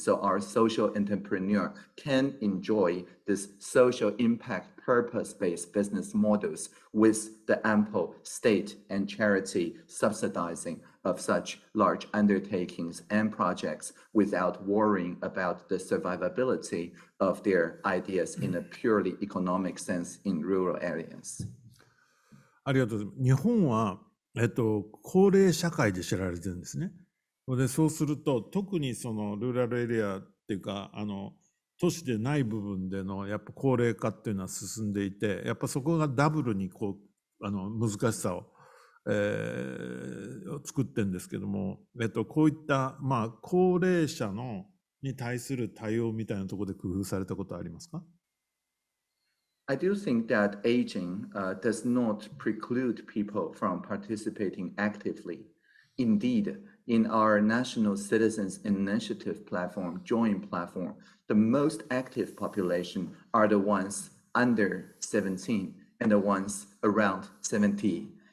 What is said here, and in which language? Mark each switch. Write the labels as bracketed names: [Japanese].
[English] So our social entrepreneur can enjoy this social impact purpose-based business models with the ample state and charity subsidizing of such large undertakings and projects without worrying about the survivability of their ideas in a purely economic sense in rural areas. [Japanese] ありがとうございます。日本は、高齢社会で知られてるんですね。で、そうすると特にそのルーラルエリアっていうか、あの都市でない部分でのやっぱ高齢化っていうのは進んでいて、やっぱそこがダブルにこうあの難しさを作ってんですけども、こういった、まあ、高齢者のに対する対応みたいなところで工夫されたことありますか？ [English] I do think that aging does not preclude people from participating actively. Indeed, in our National Citizens Initiative platform, Join platform, the most active population are the ones under 17 and the ones around 70.